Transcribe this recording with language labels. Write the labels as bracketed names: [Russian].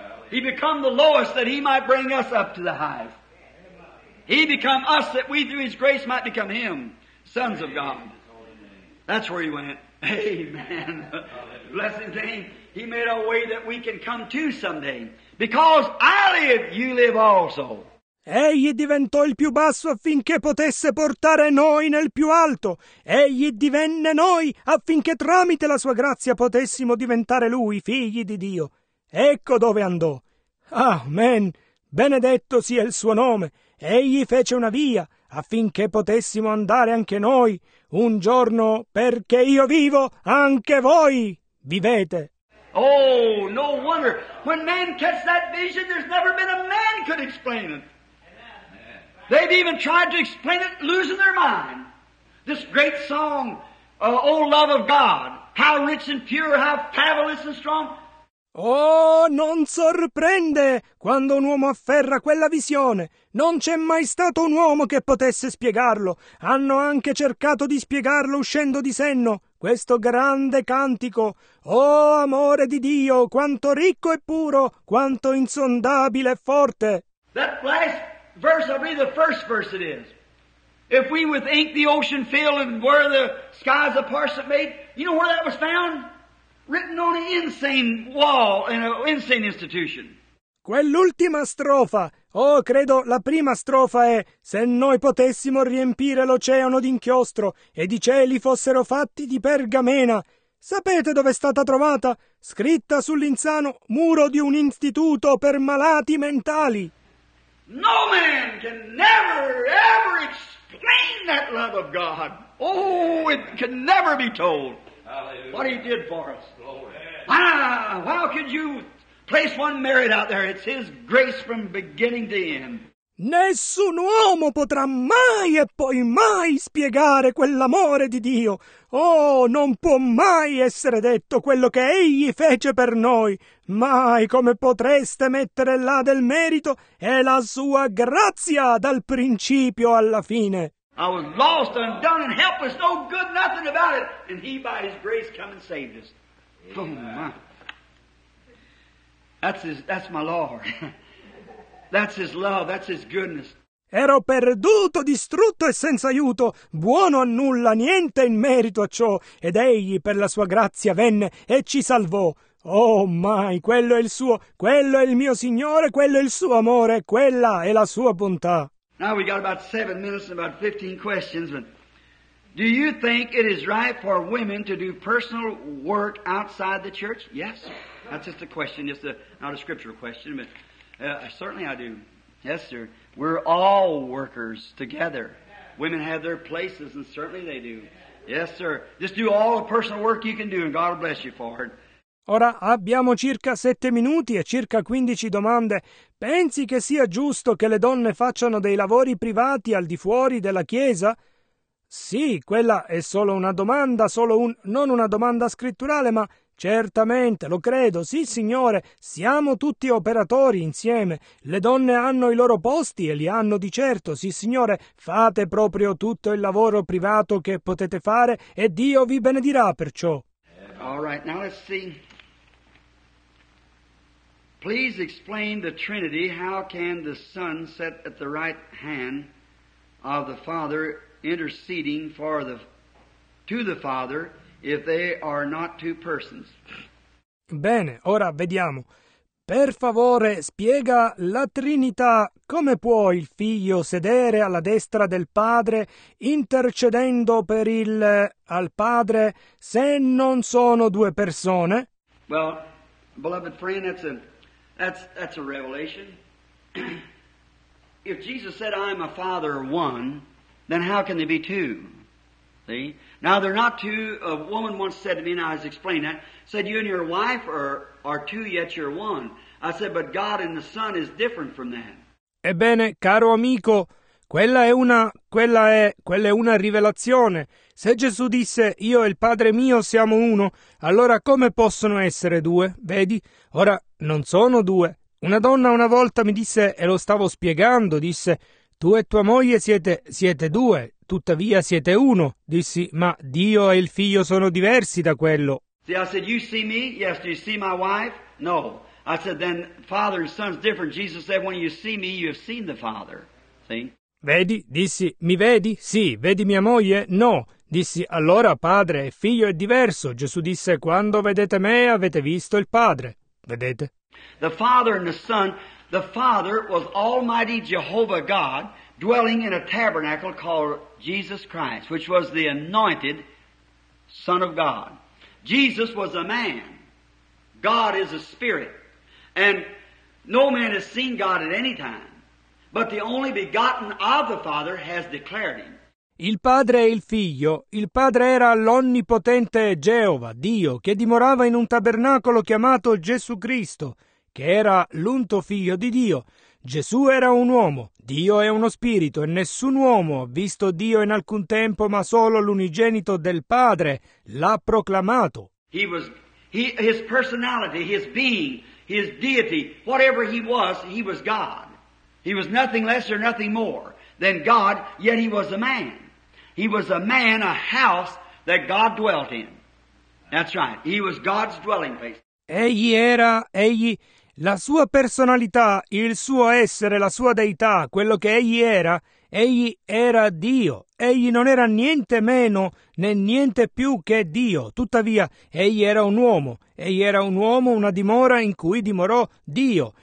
[English] He became the lowest that he might bring us up to the highest. He became us that we through his grace might become him, sons of God. That's where he went. Amen. Bless his name. He made a way that we can come to someday. Because I live, you live also. [Italian] Egli diventò il più basso affinché potesse portare noi nel più alto. Egli divenne noi affinché tramite la sua grazia potessimo diventare lui, figli di Dio. Ecco dove andò. Amen. Benedetto sia il suo nome. Egli fece una via affinché potessimo andare anche noi. Un giorno, perché io vivo, anche voi vivete. [English] Oh, no wonder. When man catch that vision, there's never been a man could explain it. They've even tried to explain it, losing their mind. This great song, O love of God, how rich and pure, how fabulous and strong. [Italian] Oh, non sorprende quando un uomo afferra quella visione. Non c'è mai stato un uomo che potesse spiegarlo. Hanno anche cercato di spiegarlo uscendo di senno, questo grande cantico. Oh, amore di Dio, quanto ricco e puro, quanto insondabile e forte. [English] That last verse, I'll be the first verse it is. If we with ink the ocean fill and were the skies a parchment made, you know where that was found? Written on an insane wall in an insane institution. [Italian] Quell'ultima strofa, oh, credo la prima strofa è se noi potessimo riempire l'oceano d'inchiostro e i cieli fossero fatti di pergamena. Sapete dove è stata trovata? Scritta sull'insano muro di un istituto per malati mentali. [English] No man can never ever explain that love of God. Oh, it can never be told. Hallelujah. What he did for us. Glory. Ah, how could you place one merit out there? It's his grace from beginning to end. [Italian] Nessun uomo potrà mai e poi mai spiegare quell'amore di Dio. Oh, non può mai essere detto quello che egli fece per noi. Mai come potreste mettere là del merito e la sua grazia dal principio alla fine. [English] I was lost, undone, and helpless, no good, nothing about it. And he, by his grace, come and saved us. Amen. Oh, my. That's my Lord. That's his love, that's his goodness. [Italian] Ero perduto, distrutto e senza aiuto, buono a nulla, niente in merito a ciò, ed egli per la sua grazia venne e ci salvò. Oh mai, quello è il suo, quello è il mio Signore, quello è il suo amore, quella è la sua bontà. [English] Now we got about 7 minutes and about 15 questions, but do you think it is right for women to do personal work outside the church? Yes. That's just a question, just a, not a scriptural question, but certainly I do. Yes, sir. We're all workers together. Women have their places, and certainly they do. Yes, sir. Just do all the personal work you can do, and God will bless you for it. [Italian] Ora abbiamo circa 7 minuti e circa 15 domande. Pensi che sia giusto che le donne facciano dei lavori privati al di fuori della Chiesa? Sì, quella è solo una domanda, solo un non una domanda scritturale, ma certamente, lo credo, sì signore, siamo tutti operatori insieme, le donne hanno i loro posti e li hanno di certo, sì signore, fate proprio tutto il lavoro privato che potete fare e Dio vi benedirà perciò. [English] All right, now let's see. Please explain the Trinity, how can the Son sit at the right hand of the Father interceding for the to the Father if they are not two persons? [Italian] Bene, ora vediamo. Per favore, spiega la Trinità, come può il Figlio sedere alla destra del Padre intercedendo per il al Padre se non sono due persone? [English] Well, beloved friend, that's a revelation. If Jesus said I am a Father one, then how can they be two? See? Now they're not two. A woman once said to me, and I was explaining that, said you and your wife are two, yet you're one. I said, but God and the Son is different from that. [Italian] Ebbene, caro amico, quella è una rivelazione. Se Gesù disse, io e il Padre mio siamo uno, allora come possono essere due? Vedi, ora non sono due. Una donna una volta mi disse, e lo stavo spiegando, disse, tu e tua moglie siete due, tuttavia siete uno. Dissi, ma Dio e il Figlio sono diversi da quello. [English] See, I said, you see me? Yes, do you see my wife? No. I said, then Father and Son's different. Jesus said, when you see me, you have seen the Father. See? [Italian] Vedi? Dissi, mi vedi? Sì. Vedi mia moglie? No. Dissi, allora Padre e Figlio è diverso. Gesù disse, quando vedete me, avete visto il Padre. Vedete? [English] The Father and the Son, the Father was Almighty Jehovah God, dwelling in a tabernacle called Jesus Christ, which was the anointed Son of God. Jesus was a man. God is a spirit. And no man has seen God at any time. But the only begotten of the Father has declared him. [Italian] Il Padre e il Figlio. Il Padre era l'onnipotente Geova, Dio, che dimorava in un tabernacolo chiamato Gesù Cristo, che era l'unto Figlio di Dio. Gesù era un uomo, Dio è uno spirito, e nessun uomo ha visto Dio in alcun tempo, ma solo l'unigenito del Padre l'ha proclamato. [English] His personality, his being, his deity, whatever he was God. He was nothing less or nothing more than God, yet he was a man. He was a man, a house that God dwelt in. That's right. He was God's dwelling place. [Italian] Egli, la sua personalità, il suo essere, la sua deità, quello che egli era Dio. Egli non era niente meno né niente più che Dio. Tuttavia, egli era un uomo. Egli era un uomo, una dimora in cui dimorò Dio.